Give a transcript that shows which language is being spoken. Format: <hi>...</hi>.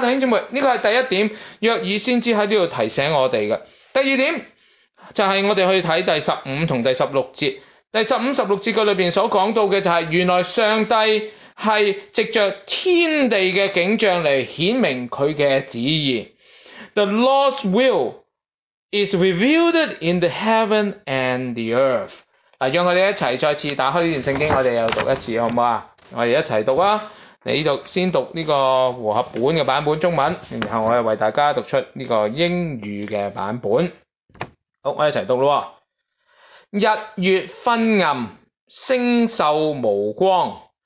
<yue>弟兄姊妹，呢個係第一點，約珥先知喺呢度提醒我哋嘅。第二點就係、是、我哋去睇第15同第16節。第15、16節嘅裏面所講到嘅就係、是、原來上帝係藉著天地嘅景象嚟顯明佢嘅旨意。</yue> <en>The Lord's will is revealed in the heaven and the earth。</en> <yue>嗱，讓我哋一齊再次打開呢段聖經，我哋又讀一次，好唔好啊？我哋一齐读啊！你读先读呢个和合本嘅版本中文，然后我又为大家读出呢个英语嘅版本。好，我一齐读咯。日月昏暗，星宿无光。</yue>